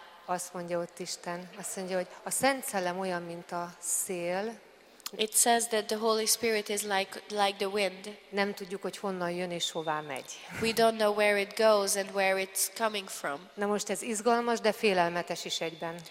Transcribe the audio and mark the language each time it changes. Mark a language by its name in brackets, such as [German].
[Hungarian] Azt mondja ott Isten, azt mondja, hogy a Szent Szellem olyan, mint a szél. [English] It says that the Holy Spirit is like the wind. [Hungarian] Nem tudjuk, hogy honnan jön és hová megy. [English] We don't know where it goes and where it's coming from. [Hungarian] Na most ez izgalmas, de félelmetes is egyben.